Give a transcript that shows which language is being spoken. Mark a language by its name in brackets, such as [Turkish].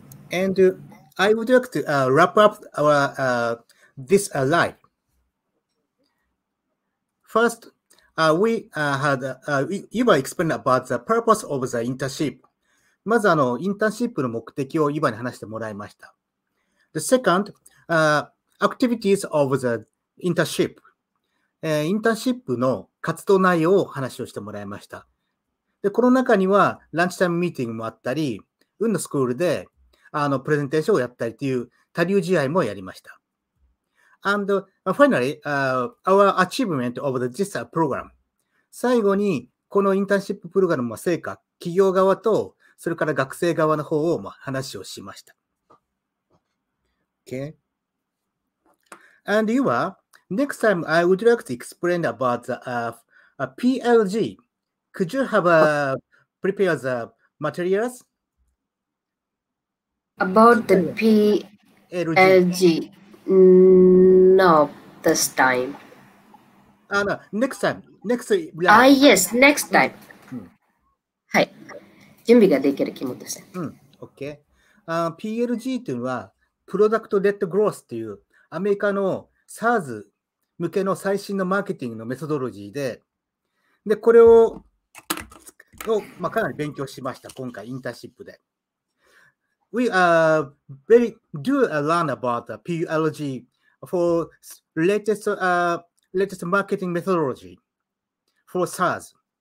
[English] And I would like to wrap up our this live. First, we had you were explaining about the purpose of the internship. [Japanese] まずインターンシップの目的を今に話してもらいました。 [English] The second, activities of the internship. [Japanese] インターンシップの活動内容を話をしてもらいました。で、この中にはランチタイムミーティングもあったり、運のスクールでプレゼンテーションをやったりという他流試合もやりました。 [English] And finally, our achievement of this program. [Japanese] 最後に、このインターンシッププログラムの成果、企業側と、それから学生側の方を話をしました。 [English] Okay. And you are, next time I would like to explain about the PLG. Could you have prepared the materials? About the PLG, not this time. No, next time. Next time. Ah, yes, next time. はい。 [Japanese] 準備ができる気持ちです。うん、OK。 PLG というのは、プロダクト・レッド・グロースというアメリカの SaaS 向けの最新のマーケティングのメソドロジーで、で、これを、まあ、かなり勉強しました、今回、インターンシップで。 [English] We very do learn about the PLG for latest marketing methodology for SaaS.